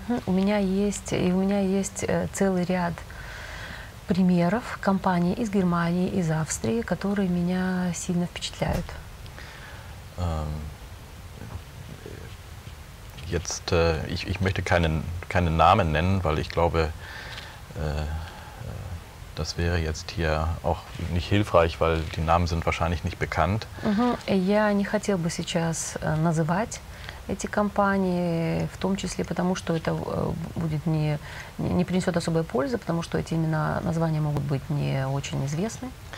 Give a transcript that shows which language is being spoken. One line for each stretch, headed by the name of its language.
Russian: У меня есть целый ряд примеров компаний из Германии, из Австрии, которые меня сильно впечатляют.
German: Jetzt, ich möchte keinen Namen nennen, weil ich glaube, das wäre jetzt hier auch nicht hilfreich, weil die Namen sind wahrscheinlich nicht bekannt.
Russian: Я не хотел бы сейчас называть эти компании, в том числе потому, что это будет не принесет особой пользы, потому что эти имена, названия могут быть не очень известны.